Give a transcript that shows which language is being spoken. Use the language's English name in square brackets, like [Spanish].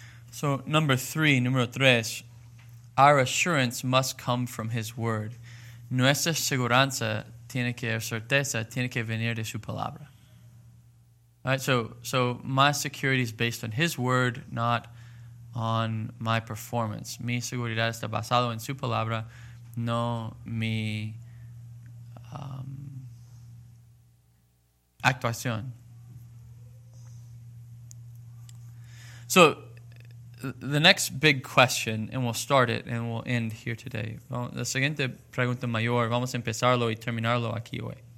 [English] So, number three, our assurance must come from his word. [Spanish] Nuestra seguranza tiene que ser certeza, tiene que venir de su palabra. [English] All right, so my security is based on his word, not on my performance. [Spanish] Mi seguridad está basado en su palabra, no mi actuación. [English] So, the next big question, and we'll start it, and we'll end here today. [Spanish] La siguiente pregunta mayor, vamos a empezarlo y terminarlo aquí hoy.